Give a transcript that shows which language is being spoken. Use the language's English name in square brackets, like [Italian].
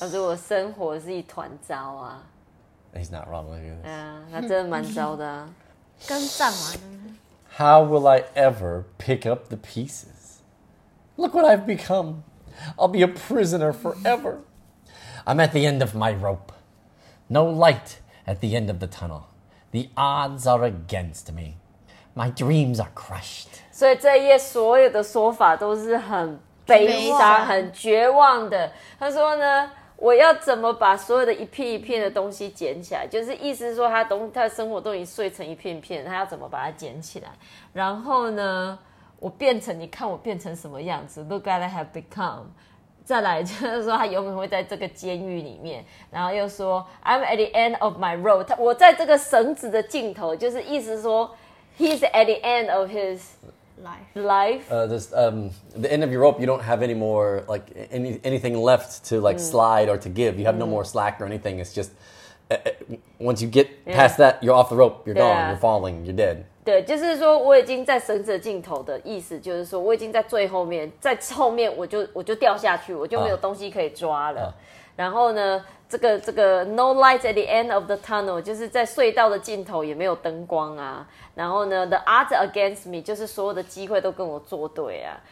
[Chinese] 他说我生活是一团糟啊。 [English] He's not wrong with this。 [Chinese] 对啊，他真的蛮糟的、啊。跟战完。 [English] How will I ever pick up the pieces? Look what I've become. I'll be a prisoner forever. I'm at the end of my rope. No light at the end of the tunnel. The odds are against me. My dreams are crushed. [Chinese] 所以这一页所有的说法都是很悲伤、很绝望的。他说呢，我要怎么把所有的一片一片的东西捡起来？就是意思是说他的生活都已经碎成一片片，他要怎么把它捡起来？然后呢，我变成，你看我变成什么样子 ？ [English] Look what I have become. [Chinese] 再来就是说他永远会在这个监狱里面然后又说 [English] I'm at the end of my rope [Chinese] 我在这个绳子的尽头就是意思说 [English] He's at the end of his life the end of your rope you don't have any more like anything left to like slide or to give you have no more slack or anything it's just once you get past that you're off the rope you're gone you're falling you're dead [Chinese] 对，就是说我已经在绳子尽头的意思，就是说我已经在最后面，在后面我就掉下去，我就没有东西可以抓了。然后呢，这个 [English] no light at the end of the tunnel， [Chinese] 就是在隧道的尽头也没有灯光啊。然后呢 ， [English] the odds against me， [Chinese] 就是所有的机会都跟我作对啊。